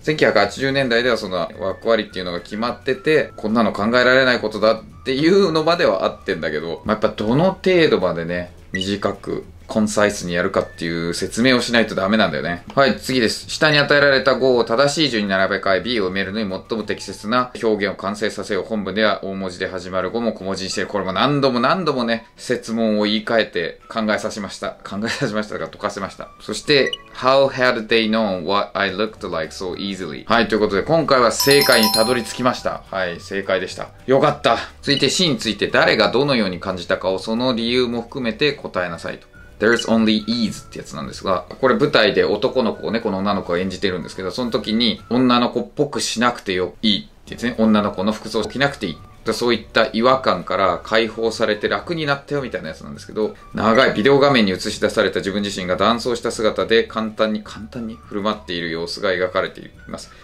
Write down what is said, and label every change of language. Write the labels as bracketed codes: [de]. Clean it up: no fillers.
[ja] 1980年代ではその枠割りっていうのが決まってて、こんなの考えられないことだっていうのまではあってんだけど、まあ、やっぱどの程度までね短くコンサイスにやるかっていう説明をしないとダメなんだよね。はい、次です。下に与えられた5を正しい順に並べ替え、B を埋めるのに最も適切な表現を完成させよう。本文では大文字で始まる5も小文字にしてる。これも何度も何度もね、設問を言い換えて考えさせました。考えさせましたとか解かせました。 [en] そして、How had they known what I looked like so easily? [ja] はい、ということで今回は正解にたどり着きました。はい、正解でした。よかった。続いて C について誰がどのように感じたかをその理由も含めて答えなさいと。 [en] There's only ease [ja] ってやつなんですが、これ舞台で男の子をね、この女の子が演じてるんですけど、その時に女の子っぽくしなくてよいいって言ってね、女の子の服装を着なくていい、そういった違和感から解放されて楽になったよみたいなやつなんですけど、長いビデオ画面に映し出された自分自身が男装した姿で簡単に振る舞っている様子が描かれています。